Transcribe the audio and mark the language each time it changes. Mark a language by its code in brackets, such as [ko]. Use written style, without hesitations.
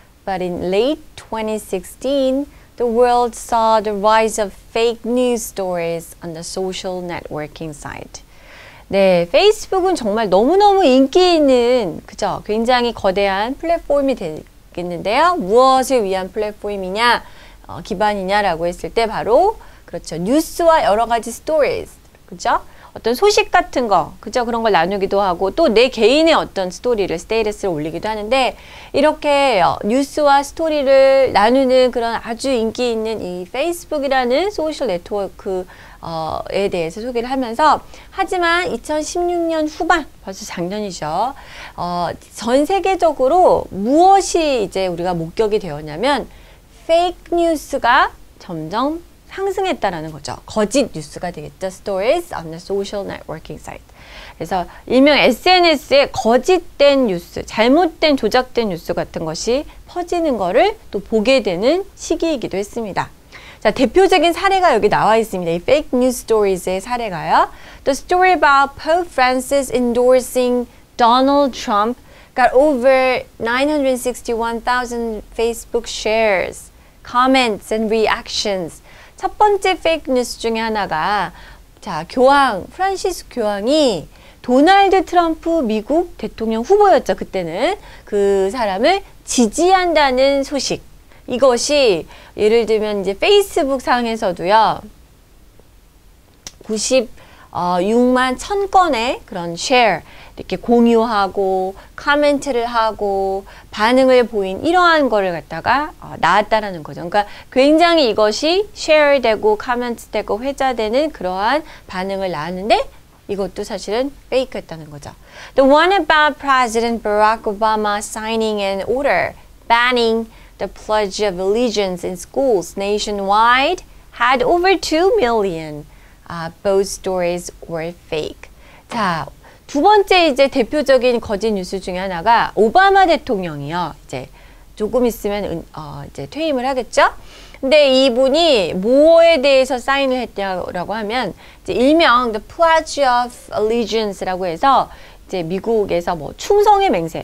[en] But in late 2016, the world saw the rise of fake news stories on the social networking site. [ko] 네, 페이스북은 정말 너무너무 인기 있는, 그죠? 굉장히 거대한 플랫폼이 되겠는데요. 무엇을 위한 플랫폼이냐, 기반이냐라고 했을 때 바로, 그렇죠. 뉴스와 여러 가지 stories, 그죠? 어떤 소식 같은 거, 그죠? 그런 걸 나누기도 하고 또 내 개인의 어떤 스토리를, 스테이터스를 올리기도 하는데 이렇게 뉴스와 스토리를 나누는 그런 아주 인기 있는 이 페이스북이라는 소셜 네트워크에 대해서 소개를 하면서 하지만 2016년 후반, 벌써 작년이죠. 전 세계적으로 무엇이 이제 우리가 목격이 되었냐면 페이크 뉴스가 점점 상승했다라는 거죠. 거짓 뉴스가 되겠죠. [en] Stories on the social networking site. [ko] 그래서 일명 SNS에 거짓된 뉴스, 잘못된 조작된 뉴스 같은 것이 퍼지는 거를 또 보게 되는 시기이기도 했습니다. 자, 대표적인 사례가 여기 나와 있습니다. 이 [en] fake news stories [ko] 의 사례가요. [en] The story about Pope Francis endorsing Donald Trump got over 961,000 Facebook shares, comments and reactions. [ko] 첫 번째 페이크 뉴스 중에 하나가 자 교황 프란시스 교황이 도널드 트럼프 미국 대통령 후보였죠. 그때는 그 사람을 지지한다는 소식. 이것이 예를 들면 이제 페이스북 상에서도요 96만 천 건의 그런 쉐어 이렇게 공유하고 코멘트를 하고 반응을 보인 이러한 거를 갖다가 나왔다라는 거죠. 그러니까 굉장히 이것이 쉐어되고 코멘트되고 회자되는 그러한 반응을 나왔는데 이것도 사실은 페이크였다는 거죠. [en] The one about President Barack Obama signing an order banning the pledge of allegiance in schools nationwide had over 2 million. Both stories were fake. [ko] 자, 두 번째 이제 대표적인 거짓 뉴스 중에 하나가 오바마 대통령이요. 이제 조금 있으면 이제 퇴임을 하겠죠. 근데 이분이 뭐에 대해서 사인을 했냐라고 하면 이제 일명 [en] the pledge of allegiance [ko] 라고 해서 이제 미국에서 뭐 충성의 맹세.